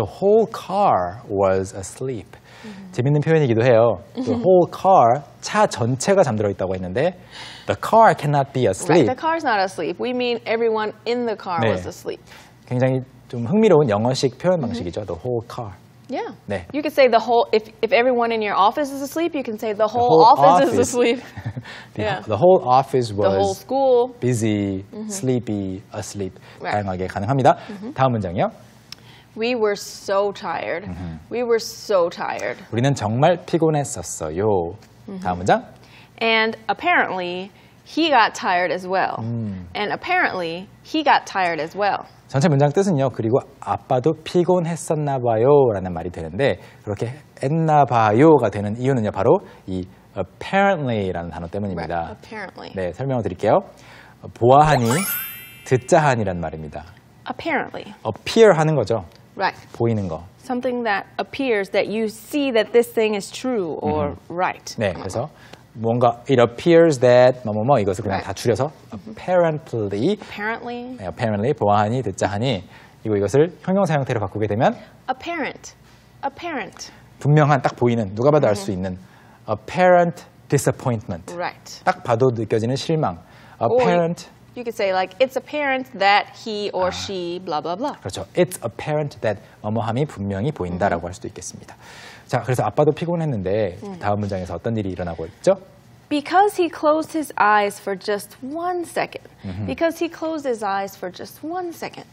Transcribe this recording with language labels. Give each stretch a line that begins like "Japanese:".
English: The whole car was asleep. Mm-hmm.
Korean: 재밌는 표현이기도 해요. The whole car, 차 전체가 잠들어 있다고 했는데
English: The car cannot be asleep. Right, the car's not asleep. We mean everyone in the car
Korean: 네.
English: was asleep.
Korean: 굉장히 좀 흥미로운 영어식 표현 방식이죠.
English: Mm-hmm. The whole car. Yeah.
Korean: 네.
English: You can say the whole, if everyone in your office is asleep, you can say the whole, the whole office, office is asleep. the, yeah. the whole office was the whole school. Busy, mm-hmm. sleepy, asleep. Right.
Korean: 다양하게 가능합니다.
English: Mm-hmm.
Korean: 다음 문장이요.
English: We were so tired. Mm-hmm. We were so tired.
Korean: 우리는 정말 피곤했었어요. Mm-hmm. 다음 문장.
English: And apparently, he got tired as well. And apparently, he got tired as well.
Korean: 전체 문장 뜻은요. 그리고 아빠도 피곤했었나 봐요라는 말이 되는데 그렇게 했나 봐요가 되는 이유는요. 바로 이 apparently라는 단어 때문입니다.
English: Right. apparently.
Korean: 네, 설명을 드릴게요. 보아하니 듣자하니라는 말입니다.
English: apparently.
Korean: appear 하는 거죠.
English: right.
Korean: 보이는 거.
English: something that appears that you see that this thing is true or right.
Korean: 네, 그래서 뭔가
English: it appears that
Korean: 뭐뭐뭐 이것을 그냥 right. 다 줄여서 apparently
English: apparently
Korean: 네, apparently 보아하니 듣자하니 이거 이것을 형용사 형태로 바꾸게 되면
English: apparent apparent
Korean: 분명한 딱 보이는 누가 봐도 알 수 있는 apparent disappointment
English: right
Korean: 딱 봐도 느껴지는 실망 apparent
English: you could say like it's apparent that he or 아, she blah blah blah
Korean: 그렇죠
English: it's apparent that
Korean: 뭐뭐함이 분명히 보인다라고 할 수도 있겠습니다. 자, 그래서 아빠도 피곤했는데 다음 문장에서 어떤 일이 일어나고 있죠?
English: Because he closed his eyes for just one second. Because he closed his eyes for just one second.